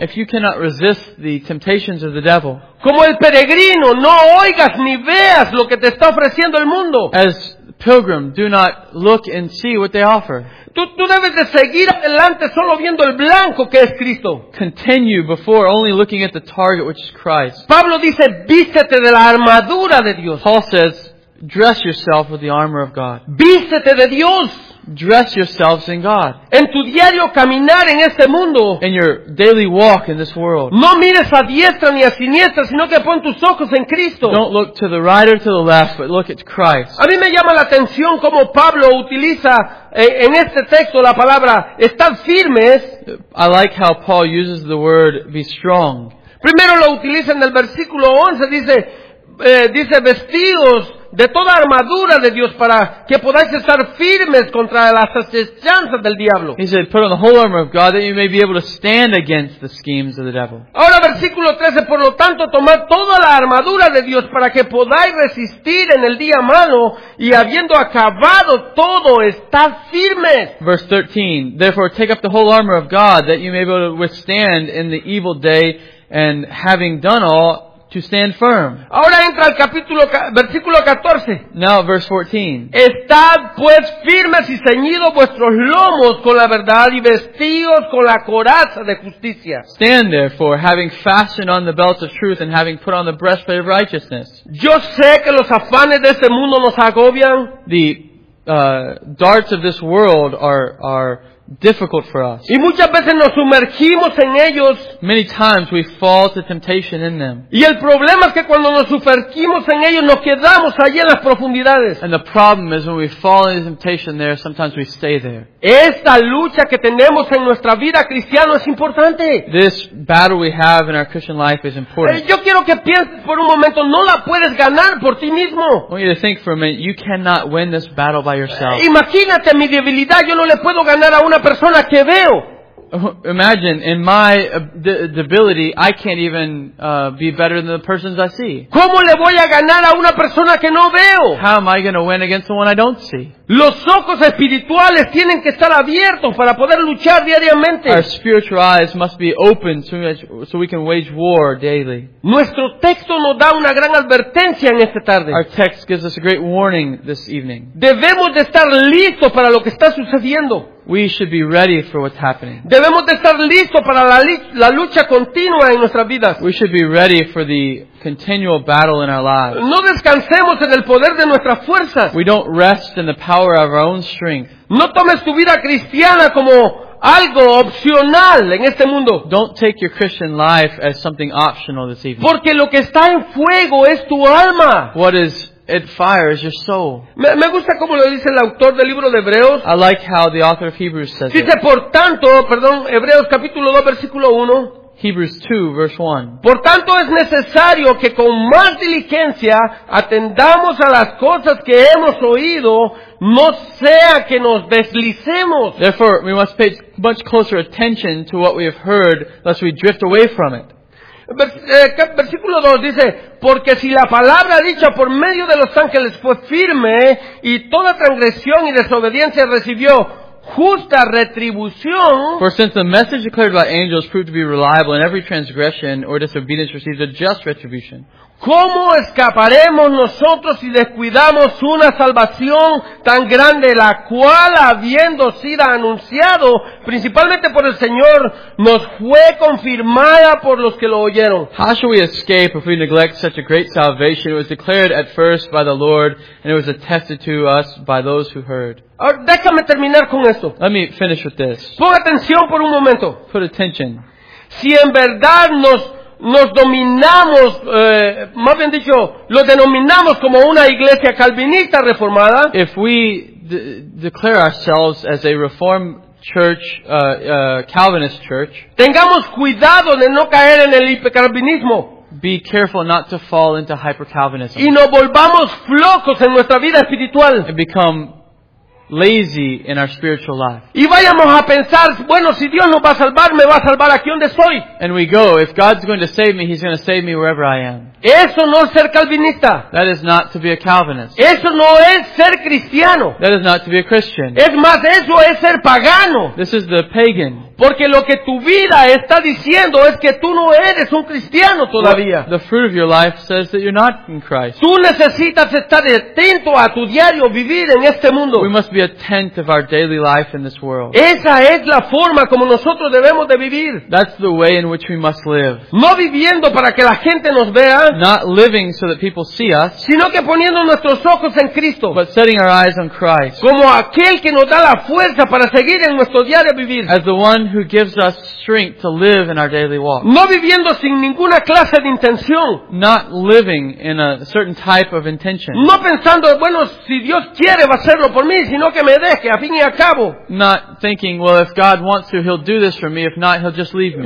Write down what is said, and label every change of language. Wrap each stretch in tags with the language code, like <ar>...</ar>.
<en>if you cannot resist the temptations of the devil,</en> <es>como el peregrino, no oigas ni veas lo que te está ofreciendo el mundo.</es> <en>As pilgrim, do not look and see what they offer.</en> <es>Tú debes de seguir adelante solo viendo el blanco que es Cristo.</es> <en>Continue before only looking at the target, which is Christ.</en> <es>Pablo dice, vístete de la armadura de Dios.</es> <en>Paul says, dress yourself with the armor of God.</en> <es>Vístete de Dios.</es> <en>Dress yourselves in God.</en> <es>En tu diario caminar en este mundo.</es> <en>In your daily walk in this world.</en> <es>No mires a diestra ni a siniestra, sino que pon tus ojos en Cristo.</es> <en>Don't look to the right or to the left, but look at Christ.</en> <es>A mí me llama la atención cómo Pablo utiliza en este texto la palabra estar firmes.</es> <en>I like how Paul uses the word be strong.</en> <es>Primero lo utiliza en el versículo 11, dice vestidos de toda armadura de Dios para que podáis estar firmes contra las asechanzas del diablo.</es> <en>He said, put on the whole armor of God that you may be able to stand against the schemes of the devil.</en> <es>Ahora versículo 13, por lo tanto, tomad toda la armadura de Dios para que podáis resistir en el día malo y habiendo acabado todo, estar firmes.</es> <en>Verse 13, therefore take up the whole armor of God that you may be able to withstand in the evil day and having done all, to stand firm.</en> <es>Ahora entra al capítulo, versículo 14.</es> <en>Now verse 14.</en> <es>Estad pues firmes y ceñidos vuestros lomos con la verdad y vestidos con la coraza de justicia.</es> <en>Stand therefore, having fastened on the belt of truth and having put on the breastplate of righteousness.</en> <es>Yo sé que los afanes de este mundo nos agobian.</es> <en>The darts of this world are difficult for us.</en> <es>Y muchas veces nos sumergimos en ellos.</es> <en>Many times we fall to temptation in them.</en> <es>Y el problema es que cuando nos sumergimos en ellos nos quedamos allí en las profundidades.</es> <en>And the problem is when we fall into temptation there, sometimes we stay there.</en> <es>Esta lucha que tenemos en nuestra vida cristiana es importante.</es> <en>This battle we have in our Christian life is important.</en> <es>Yo quiero que pienses por un momento, no la puedes ganar por ti mismo.</es> <en>I want you to think for a minute, you cannot win this battle by yourself.</en> <es>Imagínate mi debilidad, yo no le puedo ganar a una persona que veo.</es> <en>Imagine in my debility I can't even be better than the persons I see.</en> <es>¿Cómo le voy a ganar a una persona que no veo?</es> <en>How am I going to win against the one I don't see?</en> <es>Los ojos espirituales tienen que estar abiertos para poder luchar diariamente.</es> <en>Our spiritual eyes must be open so we can wage war daily.</en> <es>Nuestro texto nos da una gran advertencia en esta tarde.</es> <en>Our text gives us a great warning this evening.</en> <es>Debemos de estar listos para lo que está sucediendo.</es> <en>We should be ready for what's happening.</en> <es>Debemos de estar listos para la lucha continua en nuestras vidas.</es> <en>We should be ready for the continual battle in our lives.</en> <es>No descansemos en el poder de nuestras fuerzas.</es> <en>We don't rest in the power of our own strength.</en> <es>No tomes tu vida cristiana como algo opcional en este mundo.</es> <en>Don't take your Christian life as something optional this evening.</en> <es>Porque lo que está en fuego es tu alma.</es> <en>What is it fires your soul.</en> <es>Me gusta como lo dice el autor del libro de Hebreos.</es> <en>I like how the author of Hebrews says it.</en> <es>Dice, por tanto, perdón, Hebreos capítulo 2, versículo 1.</es> <en>Hebrews 2, verse 1.</en> <es>Por tanto, es necesario que con más diligencia atendamos a las cosas que hemos oído, no sea que nos deslicemos.</es> <en>Therefore, we must pay much closer attention to what we have heard, lest we drift away from it.</en> <es>Versículo 2 dice, porque si la palabra dicha por medio de los ángeles fue firme y toda transgresión y desobediencia recibió justa retribución.</es> <en>For since the message declared by angels proved to be reliable and every transgression or disobedience received a just retribution.</en> <es>¿Cómo escaparemos nosotros si descuidamos una salvación tan grande, la cual habiendo sido anunciado principalmente por el Señor, nos fue confirmada por los que lo oyeron?</es> <en>How shall we escape if we neglect such a great salvation? It was declared at first by the Lord, and it was attested to us by those who heard.</en> <es>Ahora, déjame terminar con esto.</es> <en>Let me finish with this.</en> <es>Pon atención por un momento.</es> <en>Put attention.</en> <es>Si en verdad nos dominamos, más bien dicho, lo denominamos como una iglesia calvinista reformada.</es> <en>If we declare ourselves as a reformed church, Calvinist church,</en> <es>tengamos cuidado de no caer en el hipercalvinismo.</es> <en>Be careful not to fall into hyper-Calvinism.</en> <es>Y nos volvamos flojos en nuestra vida espiritual.</es> <en>And become lazy in our spiritual life.</en> <es>Y vayamos a pensar, bueno, si Dios nos va a salvar, me va a salvar aquí donde estoy.</es> <en>And we go, if God's going to save me, He's going to save me wherever I am.</en> <es>Eso no es ser calvinista.</es> <en>That is not to be a Calvinist.</en> <es>Eso no es ser cristiano.</es> <en>That is not to be a Christian.</en> <es>Es más, eso es ser pagano.</es> <en>This is the pagan.</en> <es>Porque lo que tu vida está diciendo es que tú no eres un cristiano todavía.</es> <en>The fruit of your life says that you're not in Christ.</en> <es>Tú necesitas estar atento a tu diario vivir en este mundo.</es> <en>We must be attentive of our daily life in this world.</en> <es>Esa es la forma como nosotros debemos de vivir.</es> <en>That's the way in which we must live.</en> <es>No viviendo para que la gente nos vea.</es> <en>Not living so that people see us.</en> <es>Sino que poniendo nuestros ojos en Cristo.</es> <en>But setting our eyes on Christ.</en> <es>Como aquel que nos da la fuerza para seguir en nuestro diario vivir.</es> <en>As the one who gives us strength to live in our daily walk.</en> <es>No viviendo sin ninguna clase de intención.</es> <en>Not living in a certain type of intention.</en> <es>No pensando, bueno, si Dios quiere va a hacerlo por mí, sino que me deje a fin y a cabo.</es> <en>Not thinking, well, if God wants to, he'll do this for me. If not, he'll just leave me.</en>